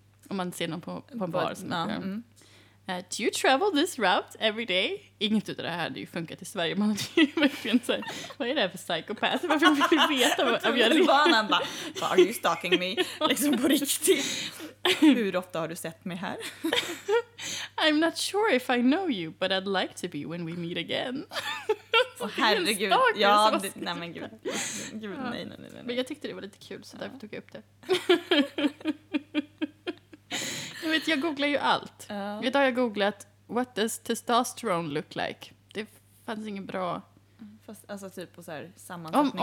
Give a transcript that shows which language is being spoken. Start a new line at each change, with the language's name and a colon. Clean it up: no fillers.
Swedish: Om man ser någon på en bar.
English: Do you travel this route every day?
Swedish: Inget av det här hade ju funkat i Sverige. Man hade ju såhär, vad är det här för psykopat? Varför vill du veta om jag är det?
English: Are you stalking me?
Swedish: Liksom på riktigt. Hur ofta har du sett mig här?
English: I'm not sure if I know you, but I'd like to be when we meet again.
Swedish: Åh, herregud. Stalker, ja, nej men gud. Gud, ja. Nej. Men jag tyckte det var lite kul, så därför tog jag upp det. Jag vet, jag googlar ju allt. Idag har jag googlat,
English: what does testosterone look like?
Swedish: Det fanns ingen bra... Fast, alltså typ på så här sammansättning.